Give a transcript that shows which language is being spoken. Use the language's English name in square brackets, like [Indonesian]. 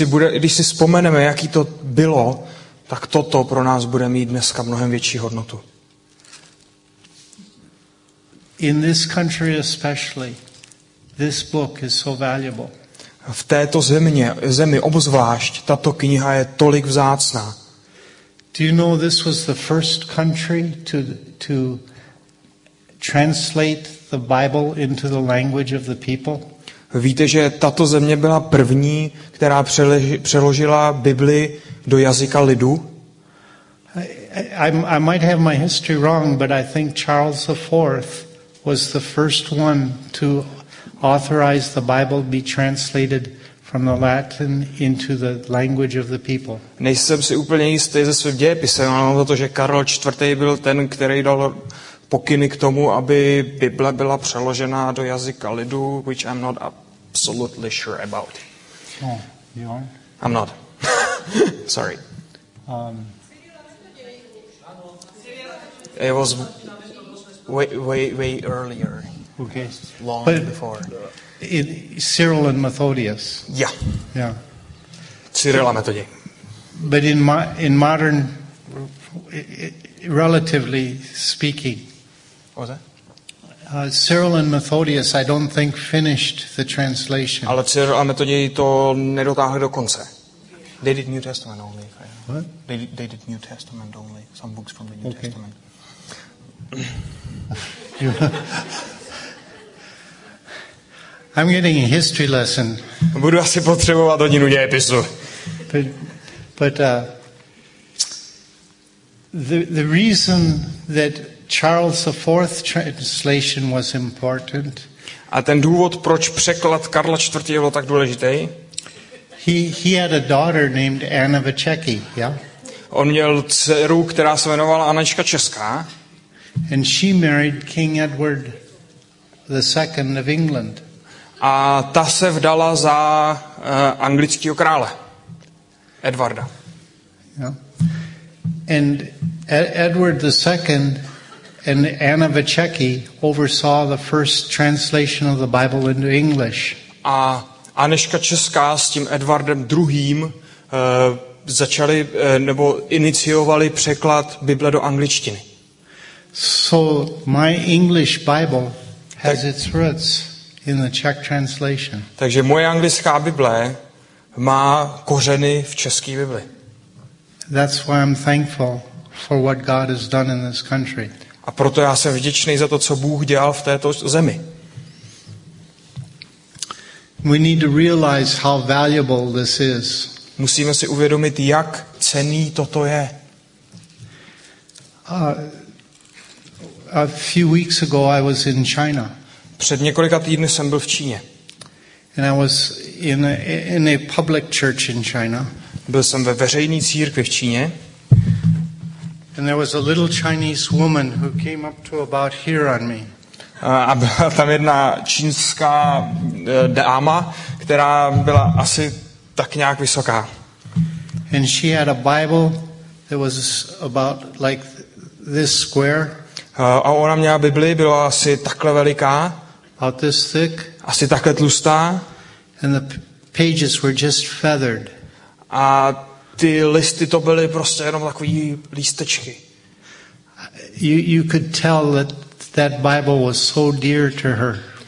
[Czech] Když si vzpomeneme, jaký to bylo, tak toto pro nás bude mít dneska mnohem větší hodnotu. [English] In this country especially, this book is so valuable. [Czech] V této zemi obzvlášť, tato kniha je tolik vzácná. [English] Do you know this was the first country to translate the Bible into the language of the people? [Czech] Víte, že tato země byla první, která přeložila Bibli do jazyka lidu? [English] I might have my history wrong, but I think Charles IV was the first one to authorize the Bible be translated from the Latin into the language of the people. [Czech] Nejsem si úplně jistý ze svým dějepisem, ale mám za to, že Karol IV. Byl ten, který dal pokyny k tomu, aby Bible byla přeložena do jazyka lidu, [English] which I'm not absolutely sure about. Oh, you are? I'm not. Sorry. It was way earlier. Okay. Long but before. Cyril and Methodius. Yeah. Yeah. Cyril and Methodius. But in modern, relatively speaking, what was that? Cyril and Methodius, I don't think, finished the translation. [Czech] Ale Cyril a Methodii to nedotáhli do konce. [English] They did New Testament only. What? They did New Testament only. Some books from the New okay. Testament. I'm getting a history lesson. [Czech] Budu asi potřebovat hodinu dějepisu. [English] But the reason that Charles IV translation was important. [Czech] A ten důvod, proč překlad Karla IV. Byl tak důležitý? [English] He had a daughter named Anna Vacecky, yeah? [Czech] On měl dceru, která se jmenovala Anička Česká. [English] And she married King Edward II of England. [Czech] A ta se vdala za anglického krále Edwarda. [English] Yeah. And Edward II and Anna Vacecky oversaw the first translation of the Bible into English. [Czech] A Anežka Česká s tím Edwardem II začali nebo iniciovali překlad Bible do angličtiny. [English] So my English Bible has its roots in the Czech translation. [Czech] Takže moje anglická Bible má kořeny v české Bibli. [English] That's why I'm thankful for what God has done in this country. [Czech] A proto já jsem vděčný za to, co Bůh dělal v této zemi. [English] We need to realize how valuable this is. [Czech] Musíme si uvědomit, jak cenný toto je. [English] A few weeks ago I was in China. [Czech] Před několika týdny jsem byl v Číně. [English] And I was in a public church in China. [Czech] Byl jsem ve veřejné církvi v Číně. [English] And there was a little Chinese woman who came up to about here on me. [Czech] A byla tam jedna čínská dáma, která byla asi tak nějak vysoká. [English] And she had a Bible that was about like this square. [Czech] A ona měla Bibli, byla asi takhle veliká. [English] About this thick. [Czech] Asi takhle tlustá. [English] And the pages were just feathered. [Czech] A ty listy to byly prostě jenom takový lístečky. [English] You could tell that Bible was so dear to her.